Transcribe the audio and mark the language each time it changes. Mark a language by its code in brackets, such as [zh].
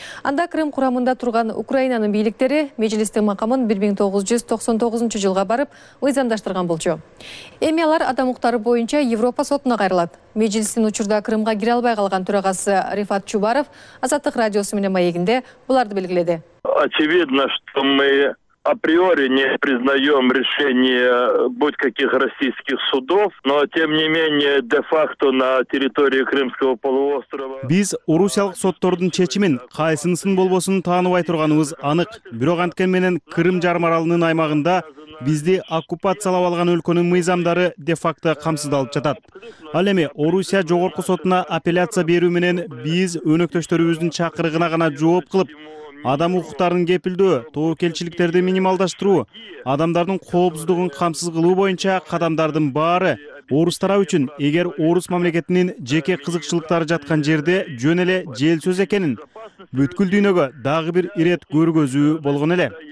[ky] Анда Крым курамында турган Украинанын бийликтери межилистин макамын 1999 жылга барып мыйзамдаштырган болчу. Эми алар адам укуктары боюнча Европа сотуна кайрылат. Межилистин учурда Крымга кире албай калган төрагасы Рифат Чубаров Азаттык радиосу менен маегинде буларды белгиледи. [ru] Очевидно, что мы априори не признаем решение будь каких российских судов, но тем не менее де-факто на территории Крымского полуострова. [ky] Биз орусиялык соттордун чечимин кайсынысын болбосун таанып айтурганыбыз анык. Бирок анткен менен Крым жарым аралынын аймагында бизди оккупациялап алган өлкөнүн мыйзамдары де-факто камсыздалып жатат. Ал эми Орусия жогорку сотуна апелляция берүү менен биз өнөктөштөрүбүздүн чакырыгына гана жооп кылып, адам укуктарын кепилдөө, тобокелчиликтерди минималдаштыруу, адамдардын коопсуздугун камсыз кылуу боюнча кадамдардын баары орус тарабы үчүн, эгер орус мамлекетинин жеке кызыкчылыктары жаткан жерде жөн эле жел сөз экенин бүткүл дүйнөгө дагы бир ирет көргөзүү болгон эле.